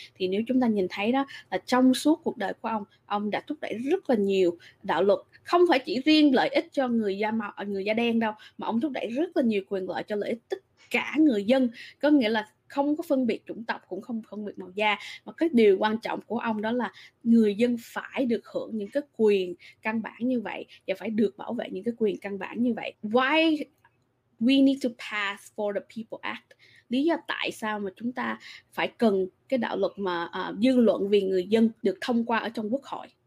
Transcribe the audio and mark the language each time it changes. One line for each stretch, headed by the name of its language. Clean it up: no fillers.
Vietnamese: Thì nếu chúng ta nhìn thấy đó, là trong suốt cuộc đời của ông đã thúc đẩy rất là nhiều đạo luật, không phải chỉ riêng lợi ích cho người da đen đâu, mà ông thúc đẩy rất là nhiều quyền lợi cho lợi ích tất cả người dân, có nghĩa là không có phân biệt chủng tộc, cũng không phân biệt màu da. Mà cái điều quan trọng của ông đó là người dân phải được hưởng những cái quyền căn bản như vậy và phải được bảo vệ những cái quyền căn bản như vậy.
English: Why we need to pass for the people act?
Vietnamese: Lý do tại sao mà chúng ta phải cần cái đạo luật mà dư luận vì người dân được thông qua ở trong Quốc hội?